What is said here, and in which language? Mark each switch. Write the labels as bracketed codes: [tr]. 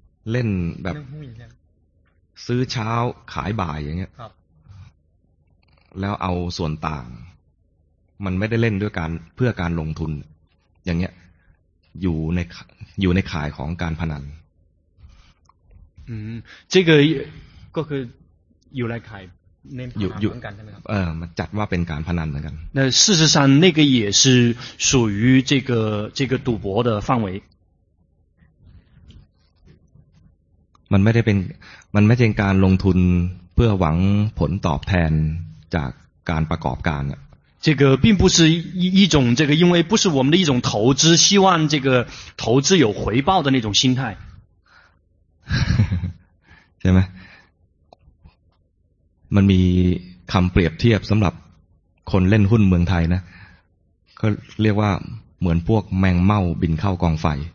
[th] เล่นแบบซื้อเช้าขายบ่ายอย่างเงี้ยแล้วเอาส่วนต่างมันไม่ได้เล่นด้วยการเพื่อการลงทุนอย่างเงี้ยอยู่ในข่ายของการพนัน [zh] 这个 [th] ก็คืออยู่ในข่ายเน้นพนันเหมือนกันใช่ไหมครับ มันจัดว่าเป็นการพนันเหมือนกัน [zh] 那事实上那个也是属于这个赌博的范围 [th] มันไม่ใช่การลงทุนเพื่อหวังผลตอบแทนจากการประกอบการ [zh] 这个并不是一种这个因为不是我们的一种投资希望这个投资有回报的那种心态 [th] ใช่ไหมมันมีคำเปรียบเทียบสำหรับคนเล่นหุ้นเมืองไทยนะก็เรียกว่าเหมือนพวกแมงเม่าบินเข้ากองไฟ